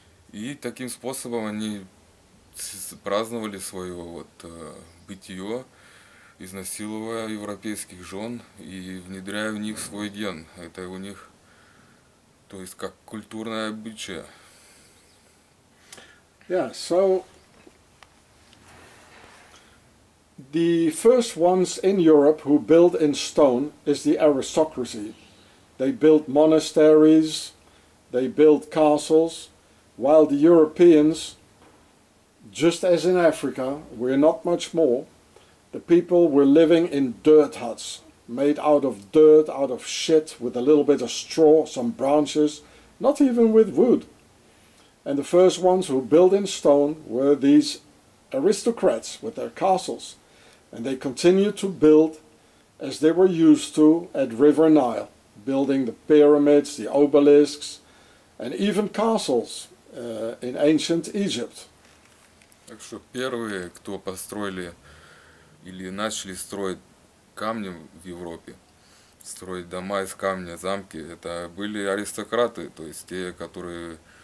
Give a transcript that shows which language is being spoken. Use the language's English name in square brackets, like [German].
[Russian] И таким способом они праздновали свое вот бытие, изнасиловая европейских жен и внедряя в них свой ген. Это у них, то есть, как культурное обычае. [English] Yeah, so the first ones in Europe who built in stone is the aristocracy. They built monasteries, they built castles, while the Europeans, just as in Africa, we're not much more. The people were living in dirt huts, made out of dirt, out of shit, with a little bit of straw, some branches, not even with wood. And the first ones who built in stone were these aristocrats with their castles. And they continued to build as they were used to at River Nile, building the pyramids, the obelisks, and even castles in ancient Egypt. [Russian] Так что первые, кто построили или начали строить камнем в Европе, строить дома из камня, замки, это были аристократы, то есть те, которые